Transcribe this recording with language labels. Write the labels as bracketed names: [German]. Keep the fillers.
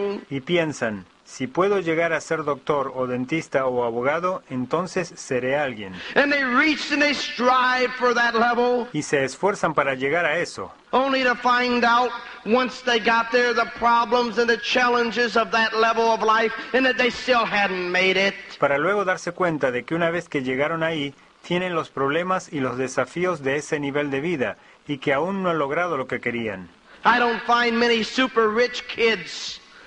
[Spanish] Y piensan, si puedo llegar a ser doctor o dentista o abogado, entonces seré alguien. [English] And they reach and they strive for that level. [Spanish] Y se esfuerzan para llegar a eso. [English] Only to find out once they got there the problems and the challenges of that level of life and that they still hadn't made it. [Spanish] Para luego darse cuenta de que una vez que llegaron ahí tienen los problemas y los desafíos de ese nivel de vida y que aún no lo han logrado lo que querían. [English] I don't find many super rich kids.